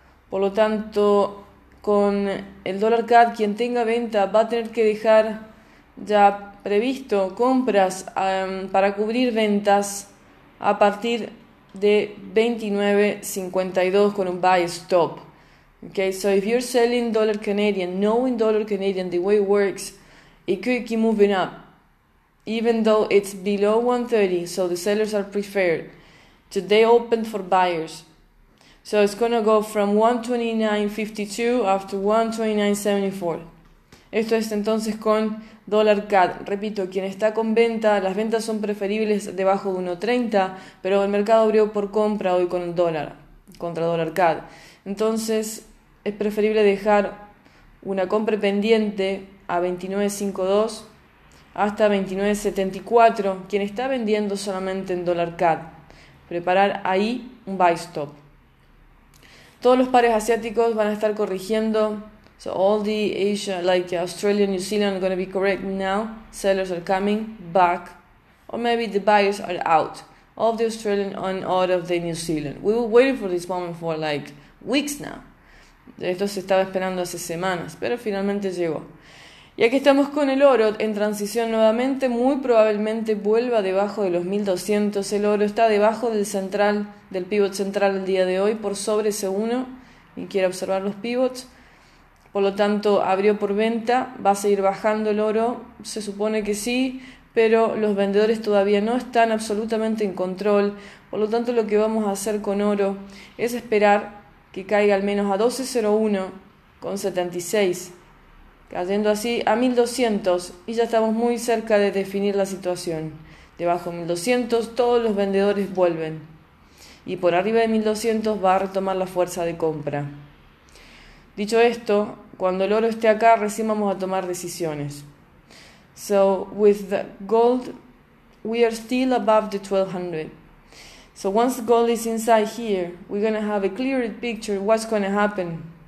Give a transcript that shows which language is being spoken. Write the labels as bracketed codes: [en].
[es] Por lo tanto, con el dólar CAD, quien tenga venta va a tener que dejar ya previsto compras para cubrir ventas a partir de 29.52 con un buy stop. [en] Okay, so if you're selling dollar Canadian, knowing dollar Canadian, the way it works, it could keep moving up, even though it's below 130, so the sellers are preferred. Today opened for buyers. So it's gonna go from 129.52 after 129.74. [es] Esto es entonces con dólar CAD. Repito, quien está con venta, las ventas son preferibles debajo de 130, pero el mercado abrió por compra hoy con el dólar, contra dólar CAD. Entonces, es preferible dejar una compra pendiente a 29.52 hasta 29.74. Quien está vendiendo solamente en dólar CAD, preparar ahí un buy stop. Todos los pares asiáticos van a estar corrigiendo. [en] So all the Asia, like Australia, New Zealand, are going to be correct now. Sellers are coming back. Or maybe the buyers are out of the Australian and out of the New Zealand. We were waiting for this moment for like weeks now. [es] Esto se estaba esperando hace semanas, pero finalmente llegó. Y aquí estamos con el oro en transición nuevamente. Muy probablemente vuelva debajo de los 1200. El oro está debajo del central, del pivot central el día de hoy, por sobre ese 1. Y quiere observar los pivots. Por lo tanto, abrió por venta. ¿Va a seguir bajando el oro? Se supone que sí, pero los vendedores todavía no están absolutamente en control. Por lo tanto, lo que vamos a hacer con oro es esperar que caiga al menos a 12.01 con 76, cayendo así a 1200, y ya estamos muy cerca de definir la situación. Debajo de 1200 todos los vendedores vuelven, y por arriba de 1200 va a retomar la fuerza de compra. Dicho esto, cuando el oro esté acá, recién vamos a tomar decisiones. [en] So, with the gold, we are still above the 1200. So once the gold is inside here, we're gonna have a clearer picture of what's gonna happen.